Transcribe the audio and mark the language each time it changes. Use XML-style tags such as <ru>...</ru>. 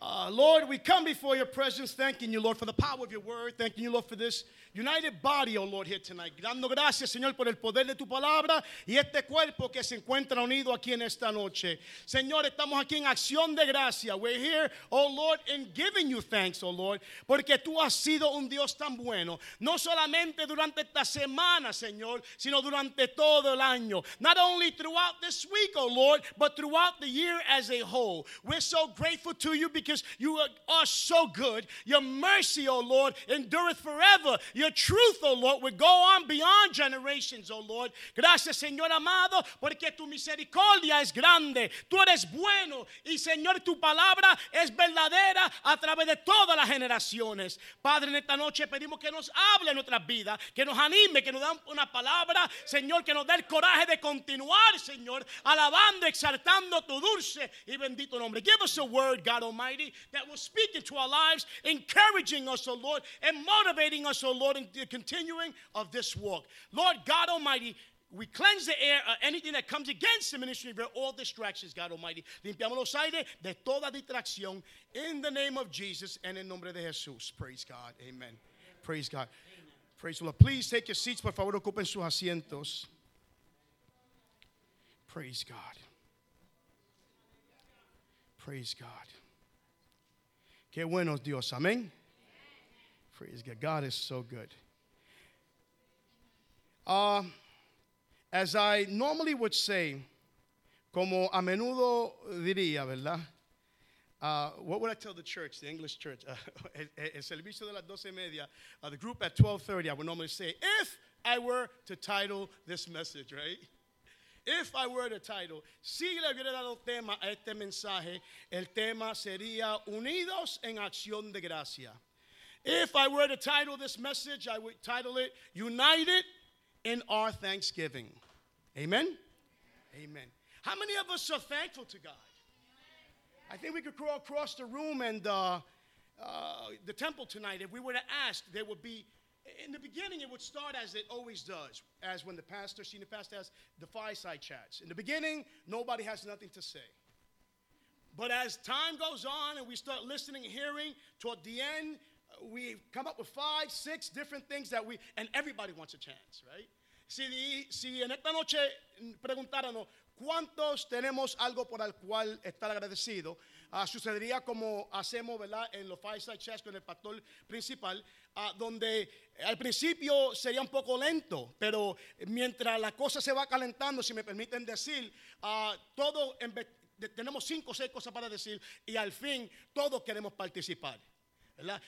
<en>Lord, we come before your presence, thanking you, Lord, for the power of your word, thanking you, Lord, for this united body, oh Lord, here tonight.</en> <es>Dando gracias, Señor, por el poder de tu palabra y este cuerpo que se encuentra unido aquí en esta noche. Señor, estamos aquí en acción de gracia.</es> <en>We're here, oh Lord,</en> <es>in giving you thanks, oh Lord, porque tú has sido un Dios tan bueno, no solamente durante esta semana, Señor, sino durante todo el año.</es> <en>Not only throughout this week, oh Lord, but throughout the year as a whole. We're so grateful to you because you are so good. Your mercy, oh Lord, endureth forever. Your truth, oh Lord, will go on beyond generations, oh Lord.</en> <es>Gracias, Señor amado, porque tu misericordia es grande. Tú eres bueno, y Señor, tu palabra es verdadera a través de todas las generaciones. Padre, en esta noche pedimos que nos hable en nuestras vidas, que nos anime, que nos dé una palabra, Señor, que nos dé el coraje de continuar, Señor, alabando, exaltando tu dulce y bendito nombre.</es> <en>Give us a word, God Almighty, that will speak into our lives, encouraging us, oh Lord, and motivating us, oh Lord, in the continuing of this walk. Lord God Almighty, we cleanse the air of anything that comes against the ministry of all distractions, God Almighty.</en> <es>Limpiamos los aires de toda distracción</es> <en>in the name of Jesus and in</en> <es>nombre de Jesús.</es> <en>Praise God. Amen. Praise God. Amen. Praise the Lord. Please take your seats.</en> <es>Por favor, ocupen sus asientos.</es> <en>Praise God. Praise God.</en> <es>Qué bueno Dios.</es> <en>Amen. Praise God. God is so good. As I normally would say,</en> <es>como a menudo diría, ¿verdad?</es> <en>What would I tell the church, the English church?</en> <es>El servicio de las 12 y media,</es> <en>the group at 12:30, I would normally say, if I were to title this message, right? If I were to title,</en> <es>si le hubiera dado tema a este mensaje, el tema sería Unidos en Acción de Gracia.</es> <en>If I were to title this message, I would title it United in Our Thanksgiving. Amen? Amen. How many of us are thankful to God? I think we could crawl across the room and the temple tonight. If we were to ask, there would be, in the beginning, it would start as it always does, as when the pastor, senior pastor, has the fireside chats. In the beginning, nobody has nothing to say. But as time goes on and we start listening and hearing toward the end, we come up with 5-6 different things that we, and everybody wants a chance, right?</en> <es>Si en esta noche preguntáramos cuántos tenemos algo por el cual estar agradecido, sucedería como hacemos, ¿verdad?, en los fireside chats con el pastor principal, donde al principio sería un poco lento, pero mientras la cosa se va calentando, si me permiten decir, todo tenemos 5 o 6 cosas para decir y al fin todos queremos participar. ¿Verdad?</es>